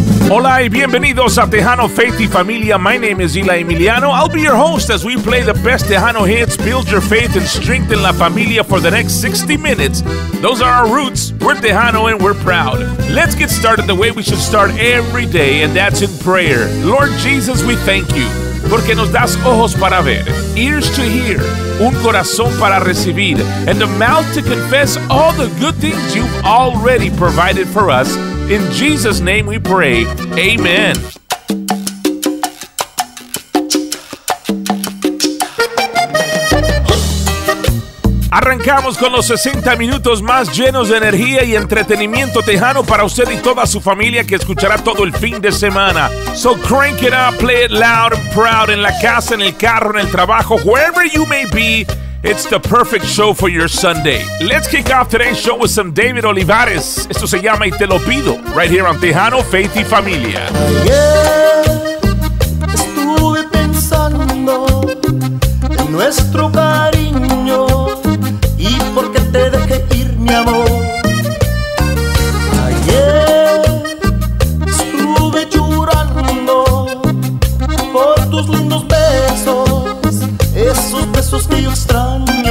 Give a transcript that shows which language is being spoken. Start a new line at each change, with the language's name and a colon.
Spanish: Hola y bienvenidos a Tejano, Faith y Familia.
English: My name is Eli Emiliano. I'll be your host as we play the best Tejano hits, build your faith and strengthen la familia for the next 60 minutes. Those are our roots. We're Tejano and we're proud. Let's get started the way we should start every day, and that's in prayer. Lord Jesus, we thank you.
Spanish: Porque nos das ojos para ver,
English: ears to hear,
Spanish: un corazón para recibir,
English: and a mouth to confess all the good things you've already provided for us. In Jesus' name we pray. Amen.
Spanish: Arrancamos con los 60 minutos más llenos de energía y entretenimiento Tejano para usted y toda su familia que escuchará todo el fin de semana.
English: So crank it up, play it loud and proud
Spanish: en la casa, en el carro, en el trabajo,
English: wherever you may be. It's the perfect show for your Sunday. Let's kick off today's show with some David Olivares.
Spanish: Esto se llama Y Te Lo Pido,
English: right here on
Spanish: Tejano, Faith y Familia. Ayer estuve pensando en nuestro cariño y por qué te dejé ir, mi amor. Ayer estuve llorando por tus lindos besos, esos besos que yo extraño.